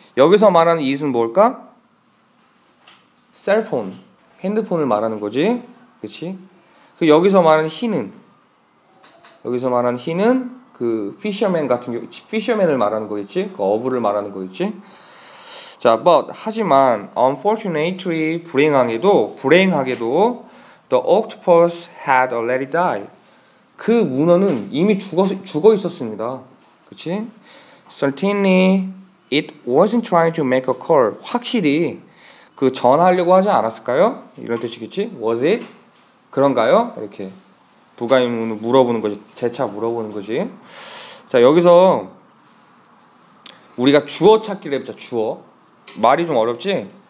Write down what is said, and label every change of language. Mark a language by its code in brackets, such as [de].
[ko] 여기서 말하는 이는 뭘까? 셀폰, 핸드폰을 말하는 거지. 그치? 그 여기서 말하는 he는? 여기서 말하는 he는 그 fisherman 같은 경우, fisherman을 말하는 거겠지? 그 어부를 말하는 거겠지? [en] 자, but, [ko] 하지만, [en] unfortunately, [ko] 불행하게도, [en] the octopus had already died. [ko] 그 문어는 이미 죽어 있었습니다. 그치? [en] Certainly, it wasn't trying to make a call. [ko] 확실히, 그 전화하려고 하지 않았을까요? 이런 뜻이겠지? [en] Was it? [ko] 그런가요? 이렇게. 부가의문을 물어보는 거지. 재차 물어보는 거지. 자, 여기서, 우리가 주어 찾기를 해보자, 주어. 말이 좀 어렵지?